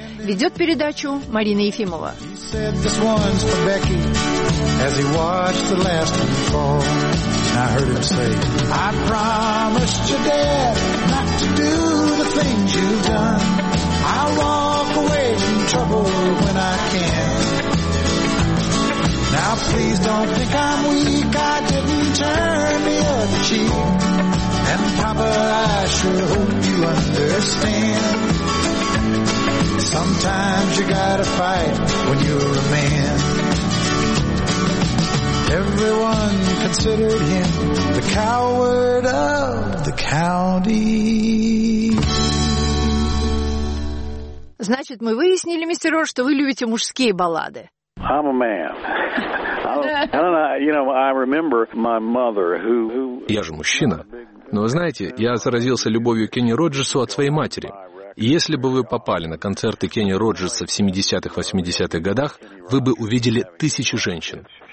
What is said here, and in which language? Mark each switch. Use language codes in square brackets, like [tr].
[ru] Ведет передачу Марина Ефимова. [en] And Papa, I sure hope you understand. Sometimes you gotta fight when you're a man. Everyone considered him the coward of the county. [ru] Значит, мы выяснили, мистер Ор, что вы любите мужские баллады. [en] I'm a man. [ru] Я же мужчина. Но вы знаете, я заразился любовью к Кенни Роджерсу от своей матери. И если бы вы попали на концерты Кенни Роджерса в 70-х-80-х годах, вы бы увидели тысячи женщин.